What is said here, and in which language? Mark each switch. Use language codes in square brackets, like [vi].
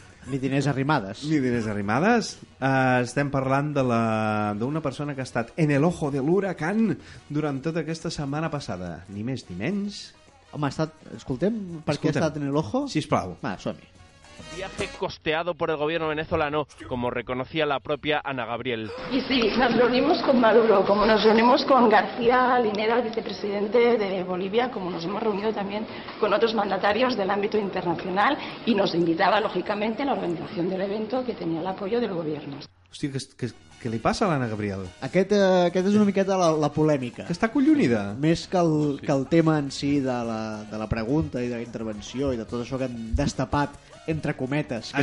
[ca] Ni diners arrimades. Ni diners arrimades. Estem parlant de d'una persona que ha estat [es] en el ojo [ca] de l'huracán durant tota aquesta setmana passada. Ni més ni menys. Home, escoltem per què ha estat [es] en el ojo. [ca] Sisplau. Va, som-hi. [es] Díaz es costeado por el gobierno venezolano, como reconocía la propia Ana Gabriel. Y sí, nos reunimos con Maduro, como nos reunimos con García Linera, el vicepresidente de Bolivia, como nos hemos reunido también con otros mandatarios del ámbito internacional, y nos invitaba, lógicamente, la organización del evento que tenía el apoyo del gobierno. [ca] Hòstia, què li passa a l'Anna Gabriel? Aquest és una miqueta la polèmica. Que està collonida. Més que el tema en si de la pregunta i de la intervenció i de tot això que han destapat entre cometes, que